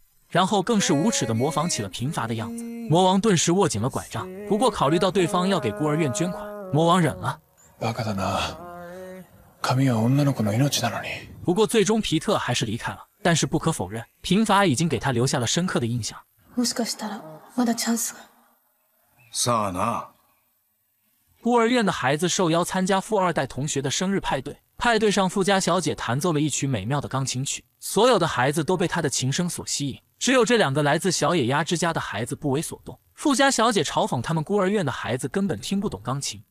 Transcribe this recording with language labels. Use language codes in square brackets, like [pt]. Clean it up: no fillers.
[zh] 然后更是无耻地模仿起了贫乏的样子。魔王顿时握紧了拐杖，不过考虑到对方要给孤儿院捐款，魔王忍了。 [ja] バカだな。髪は女の子の命なのに。 [zh] 不过最终皮特还是离开了，但是不可否认，贫乏已经给他留下了深刻的印象。 [ja] もしかしたらまだチャンスが。さあな。 [zh] 孤儿院的孩子受邀参加富二代同学的生日派对，派对上富家小姐弹奏了一曲美妙的钢琴曲，所有的孩子都被她的琴声所吸引，只有这两个来自小野鸭之家的孩子不为所动。富家小姐嘲讽他们孤儿院的孩子根本听不懂钢琴。